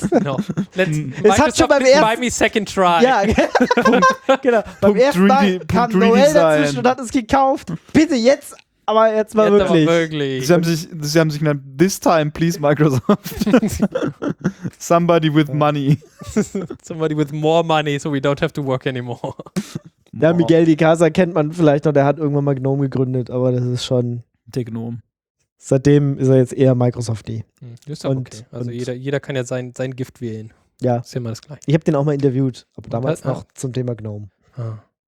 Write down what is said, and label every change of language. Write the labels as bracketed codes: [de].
[en] No. Let's [de] hat schon beim ersten, [en] buy me second try. [de] Ja, genau. Beim ersten Mal kam Noel dazwischen und hat es gekauft. Bitte jetzt, aber jetzt mal jetzt wirklich. Wirklich. Sie haben sich genannt, [en] this time, please, Microsoft. Somebody with money. Somebody with more money, so we don't have to work anymore. [de] Ja, Miguel de Icaza kennt man vielleicht noch, der hat irgendwann mal Gnome gegründet, aber das ist schon. Der Gnome. Seitdem ist er jetzt eher Microsoft-y. Ist doch okay. Also jeder kann ja sein Gift wählen. Ja. Ist immer das Gleiche. Ich habe den auch mal interviewt, aber damals noch zum Thema Gnome. Ah.